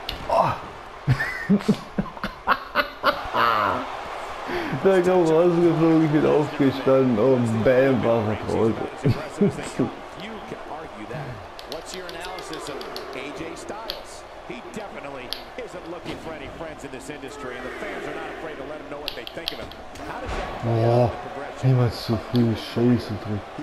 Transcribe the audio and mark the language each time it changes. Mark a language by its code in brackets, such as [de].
[de] Oh. Da kam rausgeflogen, ich bin aufgestanden und bam, war er draußen. [en] You can argue that. What's your analysis of AJ Styles? He definitely isn't looking for any friends in this industry and the fans are not afraid to let him know what they think of him. [de] Boah, niemals zu früh Scheiße drin.